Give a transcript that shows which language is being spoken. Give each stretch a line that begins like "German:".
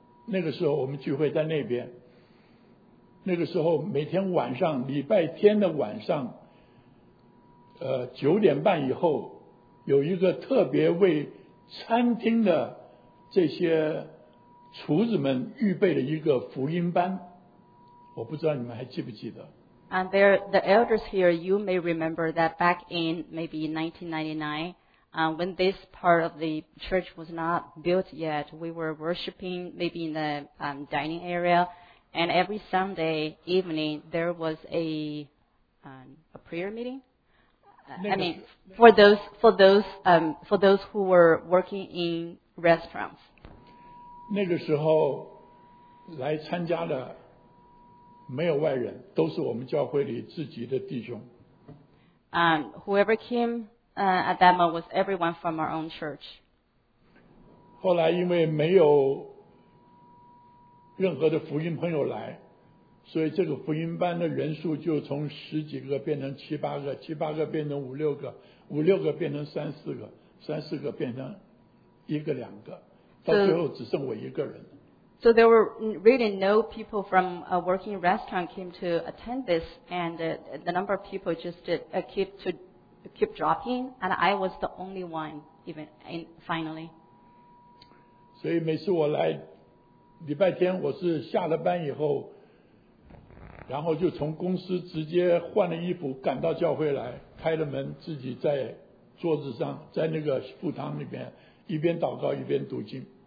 Chinese: 那个时候我们聚会在那边，那个时候每天晚上礼拜天的晚上9点半以后，有一个特别为餐厅的这些厨子们预备了一个福音班，我不知道你们还记不记得。
English: And there, the elders here, you may remember that back in maybe 1999,when this part of the church was not built yet, we were worshiping maybe in the dining area, and every Sunday evening there was a prayer meeting. For those who were working in restaurants.
Chinese: 那个时候来参加的没有外人，都是我们教会里自己的弟兄。
English: Whoever came. At that moment was everyone from our own church.
Chinese: 后来因为没有任何的福音朋友来，所以这个福音班的人数就从十几个变成七八个，七八个变成五六个，五六个变成三四个，三四个变成一个两个，到最后只剩我一个人。
English: So there were really no people from a working restaurant came to attend this, and the number of people just keep dropping, and I was the only one finally.
Chinese: 所以每次我来礼拜天，我是下了班以后，然后就从公司直接换了衣服赶到教会来，开了门自己在桌子上，在那个副堂里面一边祷告一边读经。